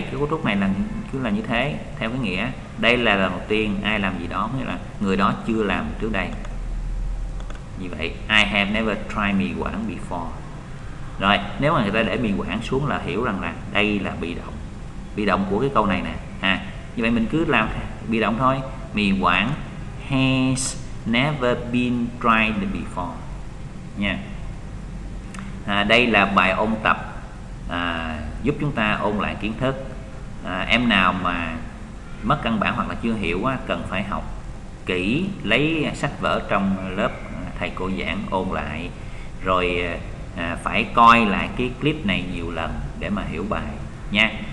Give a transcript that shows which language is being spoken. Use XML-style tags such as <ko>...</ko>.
<vi>Cái cấu trúc này là cứ là như thế, theo cái nghĩa đây là lần đầu tiên ai làm gì đó, nghĩa là người đó chưa làm trước đây. Như vậy</vi> <en>I have never tried mì Quảng before.</en> <vi>Rồi nếu mà người ta để mì Quảng xuống là hiểu rằng là đây là bị động, bị động của cái câu này nè ha. À, như vậy mình cứ làm bị động thôi.</vi> <en>Mì Quảng has never been tried before nha.</en> <vi>À, đây là bài ôn tập giúp chúng ta ôn lại kiến thức. Em nào mà mất căn bản hoặc là chưa hiểu á, cần phải học kỹ, lấy sách vở trong lớp thầy cô giảng ôn lại, rồi phải coi lại cái clip này nhiều lần để mà hiểu bài nha.</vi>